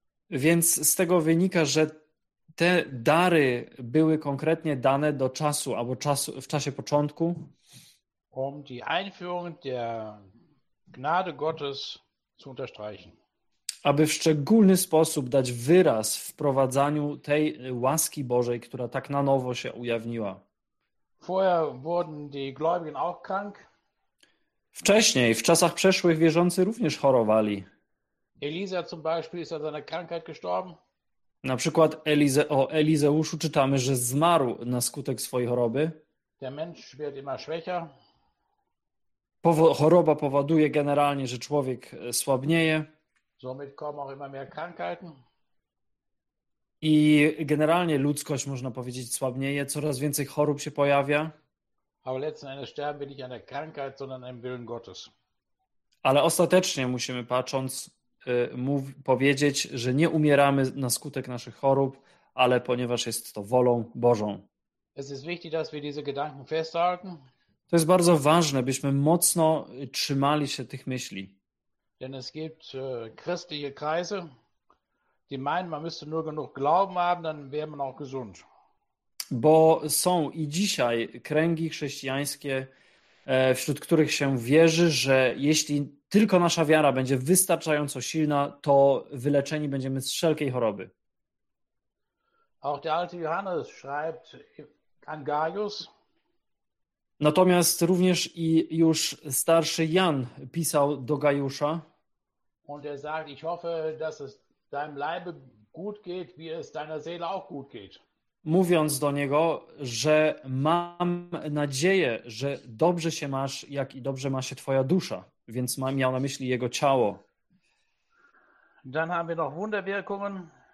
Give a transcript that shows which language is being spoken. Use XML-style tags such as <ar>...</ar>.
<pl>Więc z tego wynika, że te dary były konkretnie dane do czasu, albo czasu, w czasie początku.</pl> <de>Um die Einführung der Gnade Gottes zu unterstreichen.</de> <pl>Aby w szczególny sposób dać wyraz wprowadzaniu tej łaski Bożej, która tak na nowo się ujawniła.</pl> <de>Vorher wurden die Gläubigen auch krank.</de> <pl>Wcześniej, w czasach przeszłych, wierzący również chorowali.</pl> <de>Elisa zum Beispiel ist an seiner Krankheit gestorben.</de> <pl>Na przykład o Elizeuszu czytamy, że zmarł na skutek swojej choroby.</pl> <de>Der Mensch wird immer schwächer.</de> <pl>Choroba powoduje generalnie, że człowiek słabnieje.</pl> <de>Somit kommen auch immer mehr Krankheiten.</de> <pl>I generalnie ludzkość, można powiedzieć, słabnieje, coraz więcej chorób się pojawia.</pl> <de>Aber letzten Endes sterben wir nicht an der Krankheit, sondern am Willen Gottes.</de> <pl>Ale ostatecznie musimy patrząc powiedzieć, że nie umieramy na skutek naszych chorób, ale ponieważ jest to wolą Bożą.</pl> <de>Es ist wichtig, dass wir diese Gedanken festhalten.</de> <pl>To jest bardzo ważne, byśmy mocno trzymali się tych myśli.</pl> <de>Denn es gibt christliche Kreise, die meinen, man müsste nur genug Glauben haben, dann wäre man auch gesund.</de> <pl>Bo są i dzisiaj kręgi chrześcijańskie, wśród których się wierzy, że jeśli tylko nasza wiara będzie wystarczająco silna, to wyleczeni będziemy z wszelkiej choroby.</pl> <de>Auch der alte Johannes schreibt an Gaius.</de> <pl>Natomiast również i już starszy Jan pisał do Gajusza.</pl> <de>Und er sagt, ich hoffe, dass es deinem Leibe gut geht, wie es deiner Seele auch gut geht.</de> <pl>Mówiąc do niego, że mam nadzieję, że dobrze się masz, jak i dobrze ma się twoja dusza, więc miał na myśli jego ciało.</pl> <de>Dann haben wir noch Wunderwirkungen.</de>